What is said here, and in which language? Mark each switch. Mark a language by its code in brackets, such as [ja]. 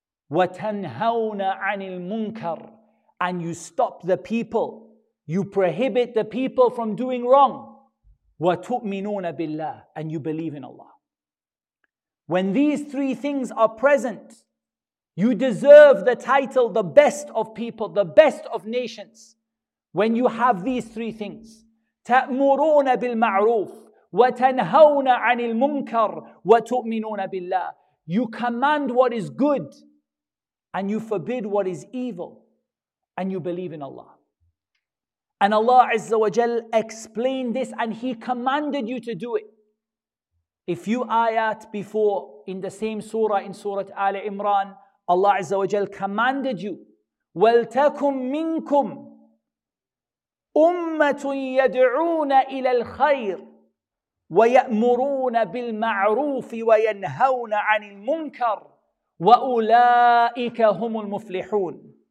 [en] Wa tanhauna 'anil munkar. And you stop the people, you prohibit the people from doing wrong. [ar] وَتُؤْمِنُونَ بِاللَّهِ. [en] And you believe in Allah. When these three things are present, you deserve the title, the best of people, the best of nations. When you have these three things, تَأْمُرُونَ بِالْمَعْرُوفِ وَتَنْهَوْنَ عَنِ الْمُنْكَرِ وَتُؤْمِنُونَ بِاللَّهِ. You command what is good, and you forbid what is evil. And you believe in Allah. And Allah Azza wa Jal explained this and He commanded you to do it. A few ayat before in the same surah, in Surah Ali Imran, Allah Azza wa Jal commanded you, وَلْتَكُمْ مِنْكُمْ أُمَّةٌ يَدْعُونَ إِلَى الْخَيْرِ وَيَأْمُرُونَ بِالْمَعْرُوفِ وَيَنْهَوْنَ عَنِ الْمُنْكَرِ وَأُولَٰئِكَ هُمُ الْمُفْلِحُونَ.